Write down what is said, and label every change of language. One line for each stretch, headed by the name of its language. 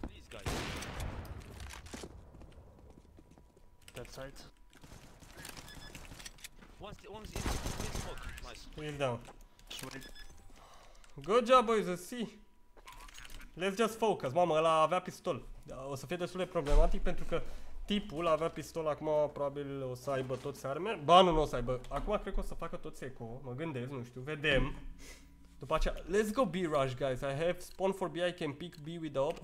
English: Guys. That side. One's in smoke, nice. Heal down. Good job boys, let's see. Let's just focus,
Romanian: mama, ăla avea pistol. O să fie destul de problematic pentru că tipul avea pistol, acum probabil o să aibă toți arme. Ba nu, nu o să aibă. Acum cred că o să facă toți eco, mă gândesc, nu știu, vedem. După aceea,
English: let's go B rush guys, I have spawn for B, I can pick B with the op.